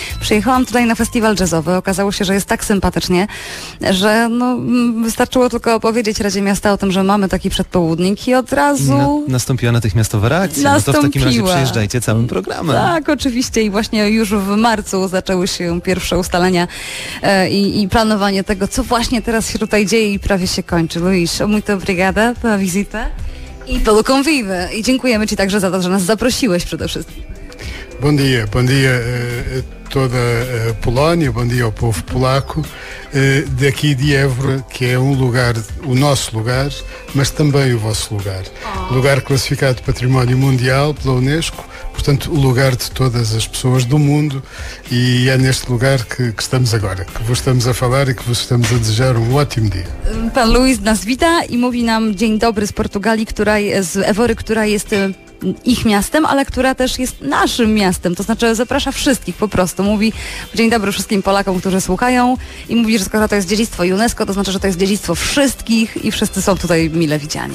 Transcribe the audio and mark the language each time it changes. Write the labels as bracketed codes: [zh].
[pl] Przyjechałam tutaj na festiwal jazzowy, okazało się, że jest tak sympatycznie, że no, wystarczyło tylko opowiedzieć Radzie Miasta o tym, że mamy taki przedpołudnik i od razu... Nastąpiła natychmiastowa reakcja, no to w takim razie przyjeżdżajcie całym programem. Tak, oczywiście i właśnie już w marcu zaczęły się pierwsze ustalenia i planowanie tego, co właśnie teraz się tutaj dzieje i prawie się kończy. [pt] Luis, muito obrigada pela visita i pelo convive. [pl] I dziękujemy Ci także za to, że nas zaprosiłeś przede wszystkim. [pt] Bom dia toda Polónia, bom dia ao povo polaco, daqui de Évora, que é um lugar, o nosso lugar, mas também o vosso lugar. Lugar classificado de património mundial pela Unesco, portanto, o lugar de todas as pessoas do mundo, e é neste lugar que estamos agora, que vos estamos a falar e que vos estamos a desejar um ótimo dia. [pl] Pan Luis nas vita e mówi nam dzień dobry z Portugalii, która jest, z Évora, która jest ich miastem, ale która też jest naszym miastem, to znaczy zaprasza wszystkich po prostu. Mówi dzień dobry wszystkim Polakom, którzy słuchają i mówi, że skoro to jest dziedzictwo UNESCO, to znaczy, że to jest dziedzictwo wszystkich i wszyscy są tutaj mile widziani.